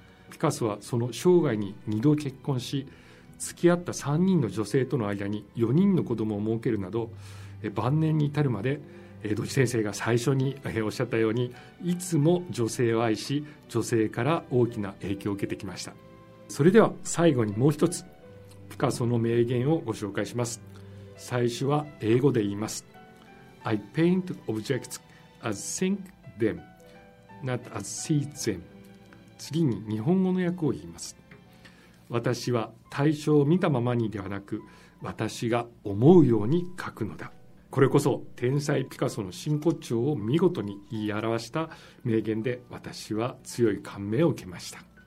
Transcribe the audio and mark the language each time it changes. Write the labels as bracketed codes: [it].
[ja] ピカソはその生涯に2度結婚し、付き合った3人の女性との間に4人の子供を設けるなど、晩年に至るまで、土井先生が最初におっしゃったように、いつも女性を愛し、女性から大きな影響を受けてきました。それでは最後にもう一つピカソの名言をご紹介します。最初は英語で言います。 [en] I paint objects as think them, not as see them。 [ja] 次に日本語の訳を言います。私は対象を見たままにではなく、私が思うように描くのだ。これこそ天才ピカソの真骨頂を見事に言い表した名言で、私は強い感銘を受けました。